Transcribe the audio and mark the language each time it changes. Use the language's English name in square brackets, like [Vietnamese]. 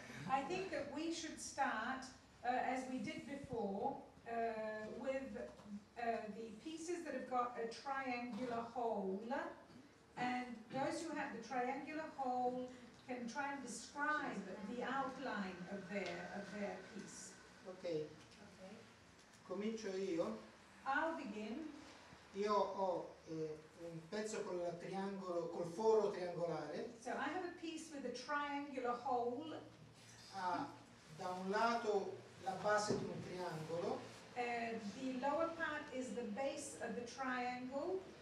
[English] I think that we should start, as we did before, with the pieces that have got a triangular hole. And those who have the triangular hole can try and describe the outline of their piece. [Italian] Okay. Comincio io. [English] I'll begin. [Italian] Io ho un pezzo con il triangolo, col foro triangolare. [English] So I have a piece with a triangular hole. [Italian] Da un lato la base di un triangolo. [English] The lower part is the base of the triangle.